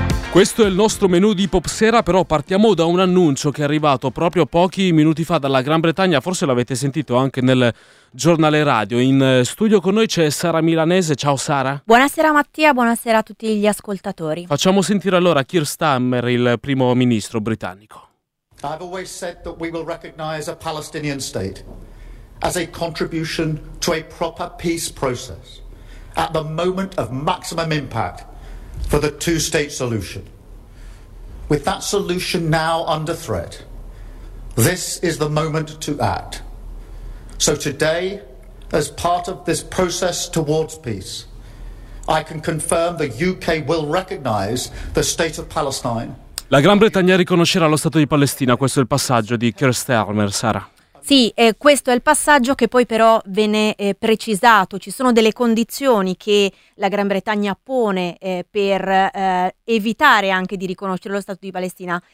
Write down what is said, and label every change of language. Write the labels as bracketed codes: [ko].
[it] Questo è il nostro menù di Pop Sera, però partiamo da un annuncio che è arrivato proprio pochi minuti fa dalla Gran Bretagna, forse l'avete sentito anche nel giornale radio. In studio con noi c'è Sara Milanese, ciao Sara. Buonasera Mattia, buonasera a tutti gli ascoltatori. Facciamo sentire allora Keir Starmer, il primo ministro britannico. [en] I've always said that we will recognize a Palestinian state as a contribution to a proper peace process at the moment of maximum impact for the two-state solution. With that solution now under threat, this is the moment to act. So today, as part of this process towards peace, I can confirm the UK will recognize the state of Palestine. [it] La Gran Bretagna riconoscerà lo Stato di Palestina, questo è il passaggio di Keir Starmer, Sara. Sì, questo è il passaggio che poi però venne precisato. Ci sono delle condizioni che la Gran Bretagna pone per evitare anche di riconoscere lo Stato di Palestina.